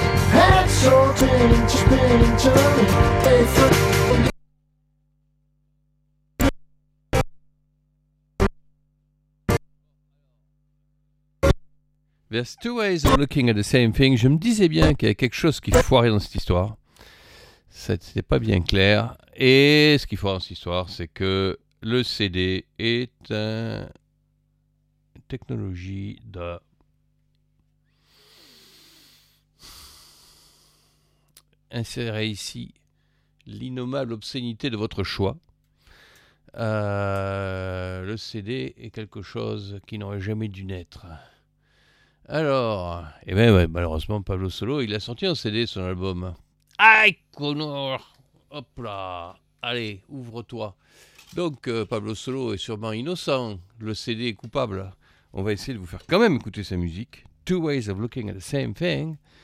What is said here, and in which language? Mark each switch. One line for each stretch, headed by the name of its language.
English: Heads or tails, just being turned. There's two ways of looking at the same thing.
French: Je me disais bien qu'il y avait quelque chose qui foirait dans cette histoire. Ça n'était pas bien clair. Et ce qui foirait dans cette histoire, c'est que le CD est une technologie de... Insérez ici l'innommable obscénité de votre choix. Le CD est quelque chose qui n'aurait jamais dû naître. Alors, et ben ouais, malheureusement, Pablo Solo, il a sorti en CD son album. Aïe, connard ! Hop là ! Allez, ouvre-toi. Donc, Pablo Solo est sûrement innocent. Le CD est coupable. On va essayer de vous faire quand même écouter sa musique.
English: Two ways of looking at the same thing.